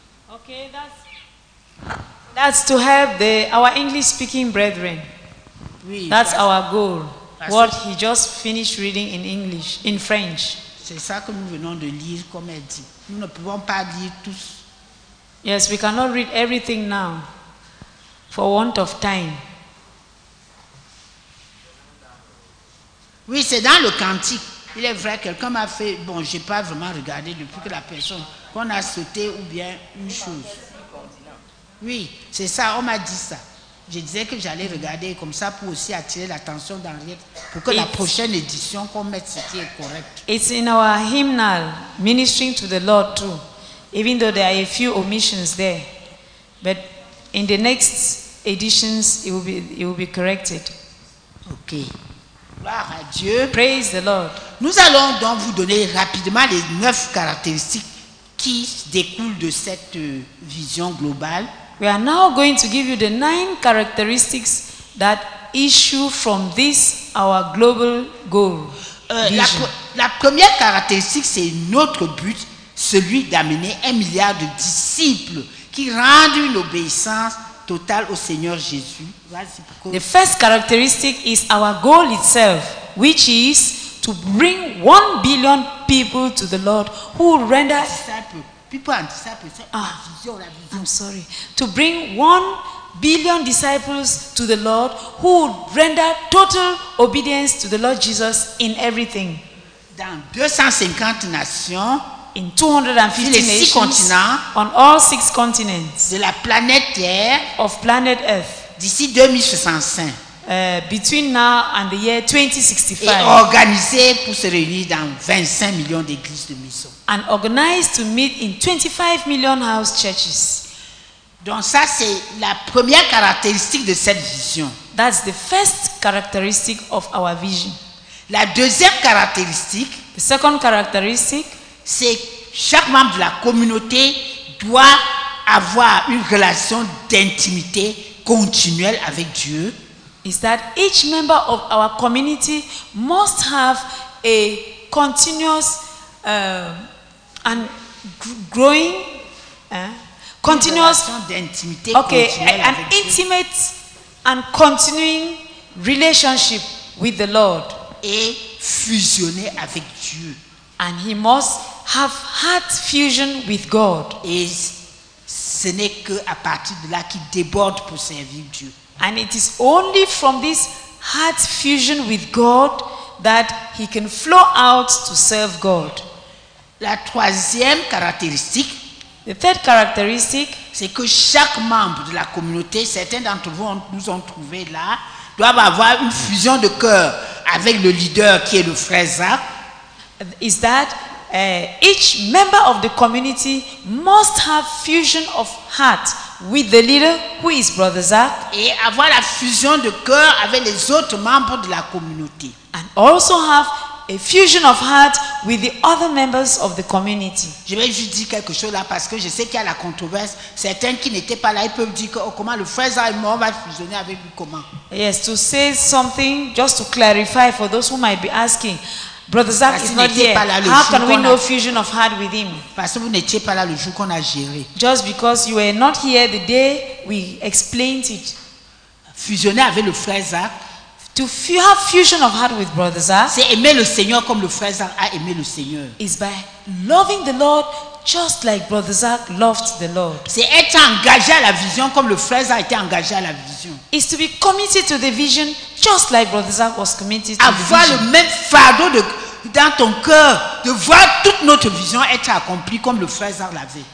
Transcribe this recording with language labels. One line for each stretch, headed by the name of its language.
English: Ok, that's to help our English speaking brethren.
French: Oui,
English: that's our goal. What he just finished reading in English,
French: in French. C'est ça que nous venons de lire, comme elle dit. Nous ne pouvons pas lire tous.
English: Yes, we cannot read everything now, for want of time.
French: Oui, c'est dans le cantique. Il est vrai, quelqu'un m'a fait, bon, je n'ai pas vraiment regardé depuis que la personne, qu'on a sauté ou bien une chose. Oui, c'est ça, on m'a dit ça. Je disais que j'allais regarder comme ça pour aussi attirer l'attention d'Henriette pour que la prochaine édition qu'on mette ce qui est correct.
English: It's in our hymnal, ministering to the Lord too, even though there are a few omissions there. But in the next editions, it will be corrected.
French: Ok. Gloire à Dieu.
English: Praise the Lord.
French: Nous allons donc vous donner rapidement les 9 caractéristiques qui découlent de cette vision globale.
English: We are now going to give you the 9 characteristics that issue from this, our global goal.
French: La première caractéristique, c'est notre but, celui d'amener 1 milliard de disciples qui rendent une obéissance totale au Seigneur Jésus.
English: The first characteristic is our goal itself, which is to bring 1 billion people to the Lord who render disciples. People and disciples.
French: La vision.
English: I'm sorry. To bring 1 billion disciples to the Lord who would render total obedience to the Lord Jesus in everything.
French: Dans 250 nations,
English: in 250
French: les
English: nations,
French: six continents,
English: on all 6 continents,
French: de la planète Terre,
English: of planet Earth,
French: d'ici 2065,
English: between now and the year 2065,
French: et organisé pour se réunir dans 25 millions d'églises de mission.
English: And organized to meet in 25 million house churches.
French: Donc ça, c'est la première caractéristique de cette vision.
English: That's the first characteristic of our vision.
French: La deuxième caractéristique,
English: the second characteristic,
French: c'est chaque membre de la communauté doit avoir une relation d'intimité continuelle avec Dieu.
English: Is that each member of our community must have a continuous and growing continuous
French: d'intimité,
English: okay, an intimate and continuing relationship with the Lord,
French: et fusionné avec Dieu,
English: and he must have heart fusion with God.
French: Et ce n'est que à partir de là qu'il déborde pour servir Dieu.
English: And it is only from this heart fusion with God that he can flow out to serve God.
French: La troisième caractéristique,
English: the third characteristic,
French: c'est que chaque membre de la communauté, certains d'entre vous nous ont trouvé là, doivent avoir une fusion de cœur avec le leader qui est le frère Zach.
English: Is that each member of the community must have fusion of heart with the leader who is brother Zach,
French: et avoir la fusion de cœur avec les autres membres de la communauté,
English: and also have a fusion of heart with the other members of the community.
French: Je vais juste dire quelque chose là parce que je sais qu'il y a la controverse. Certains qui n'étaient pas là, ils peuvent dire que oh, comment le frère Zach est mort, on va fusionner avec lui comment?
English: Yes, to say something, just to clarify for those who might be asking, brother Zach is not here. How can we know fusion of heart with him?
French: Parce que vous n'étiez pas là le jour qu'on a géré.
English: Just because you were not here the day we explained it.
French: Fusionner avec le frère Zach.
English: To have fusion of heart with brother Zach,
French: c'est aimer le Seigneur comme le frère Zach a aimé le Seigneur.
English: Is by loving the Lord just like brother Zach loved the Lord.
French: C'est être engagé à la vision comme le frère Zach a été engagé à la vision.
English: Is to be committed to the vision just like brother Zach was committed to
French: avoir
English: the vision.
French: Avoir le même fardeau dans ton cœur de voir toute notre vision être accomplie comme le frère Zach l'avait.